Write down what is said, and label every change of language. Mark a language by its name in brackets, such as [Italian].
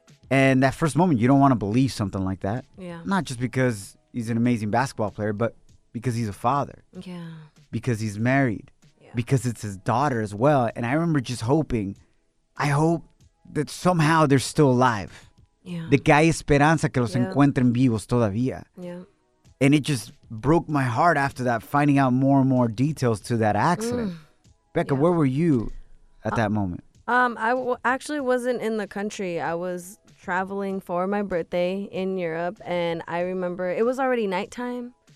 [English] And that first moment, you don't want to believe something like that. Yeah. Not just because he's an amazing basketball player, but because he's a father. Yeah. Because he's married. Yeah. Because it's his daughter as well. And I remember just hoping, I hope that somehow they're still alive. Yeah. [Spanish] De que hay esperanza que los encuentren vivos todavía. [English] Yeah. And it just broke my heart after that, finding out more and more details to that accident. Becca, where were you at that moment? I actually wasn't in the country. I was traveling for my birthday in Europe. And I remember it was already nighttime.